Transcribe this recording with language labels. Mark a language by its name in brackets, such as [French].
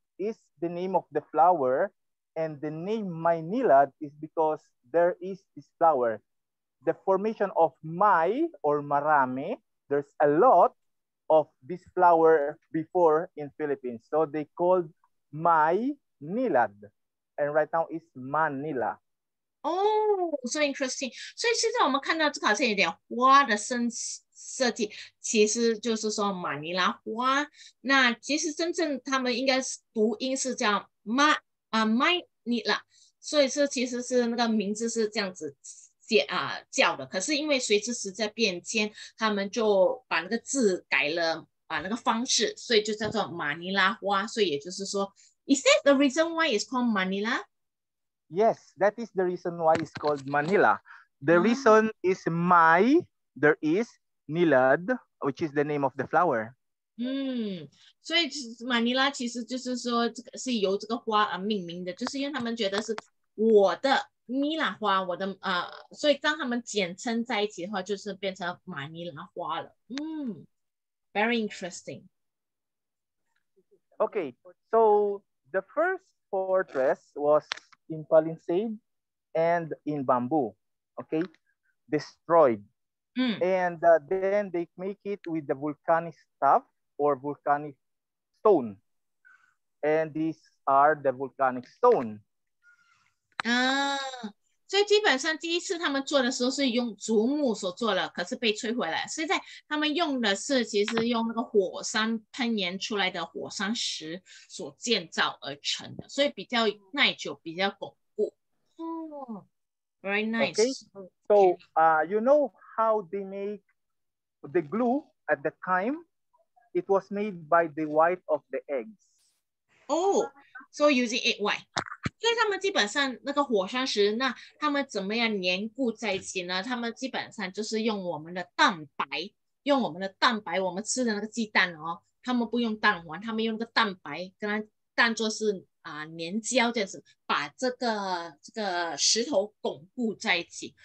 [English] Is the name of the flower, and the name Manila is because there is this flower. The formation of Mai or Marami, there's a lot of this flower before in Philippines. So they called Mai Nilad, and right now it's Manila. Oh, so interesting. [Chinese] So 现在我们看到这个好像有点花的生死。设计其实就是说马尼拉花，那其实真正他们应该是读音是叫 Manila， 所以是其实是那个名字是这样子叫的，可是因为随着时代变迁他们就把那个字改了把那个方式，所以就叫做马尼拉花，所以也就是说 [English] Is that the reason why it's called Manila? Yes, that is the reason why it's called Manila. The reason is my, there isNilad, which is the name of the flower. [Chinese] 所以马尼拉其实就是说是由这个花而命名的，就是因为他们觉得是我的尼拉花，我的所以当他们简称在一起的话，就是变成马尼拉花了。 [English] Very interesting. Okay, so the first fortress was in palisade and in bamboo. Okay, destroyed. And then they make it with the volcanic stuff or volcanic stone. And these are the volcanic stone. [Chinese] 所以基本上第一次他们做的时候是用竹木所做的，可是被摧毁了。现在他们用的是其实用那个火山喷岩出来的火山石所建造而成的，所以比较耐久，比较巩固。 [English] Very nice. Okay. So, you know... How they make the glue at the time, it was made by the white of the eggs. Oh, so using egg white. [Chinese] 所以他们基本上那个火山石，那他们怎么样粘固在一起呢？他们基本上就是用我们的蛋白，用我们的蛋白，我们吃的那个鸡蛋哦，他们不用蛋黄，他们用那个蛋白跟它当做是粘胶这样子，把这个石头巩固在一起。